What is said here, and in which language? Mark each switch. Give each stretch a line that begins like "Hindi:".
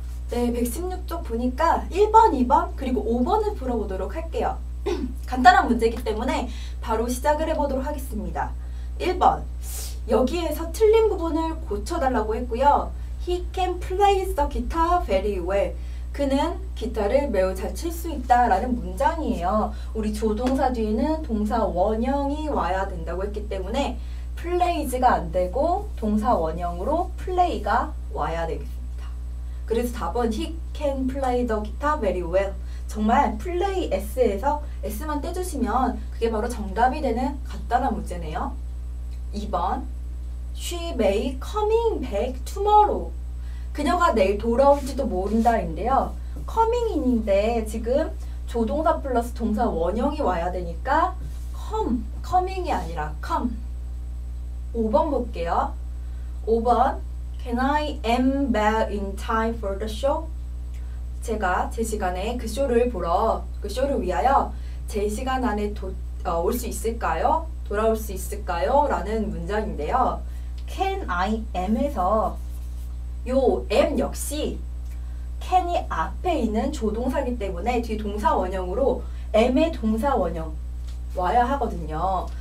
Korean: 네, 116쪽 보니까 1번, 2번, 그리고 5번을 풀어보도록 할게요. 간단한 문제이기 때문에 바로 시작을 해보도록 하겠습니다. 1번, 여기에서 틀린 부분을 고쳐달라고 했고요.
English: He can play the guitar very well.
Korean: 그는 기타를 매우 잘 칠 수 있다 라는 문장이에요. 우리 조동사 뒤에는 동사 원형이 와야 된다고 했기 때문에 plays가 안 되고 동사 원형으로 play가 와야 되겠습니다. 그래서 답은
English: he can play the guitar very well.
Korean: 정말 play s에서 s만 떼주시면 그게 바로 정답이 되는 간단한 문제네요.
English: 2번 she may coming back tomorrow.
Korean: 그녀가 내일 돌아올지도 모른다 인데요. coming인데 지금 조동사 플러스 동사 원형이 와야 되니까 coming이 아니라 come. 5번 볼게요.
English: 5번 Can I am back in time for the show?
Korean: 제가 제 시간에 그 쇼를 보러 그 쇼를 위하여 제 시간 안에 올 수 있을까요? 돌아올 수 있을까요? 라는 문장인데요.
English: Can I am
Korean: 해서 요 M 역시 can이 앞에 있는 조동사이기 때문에 뒤 동사 원형으로 M의 동사 원형 와야 하거든요.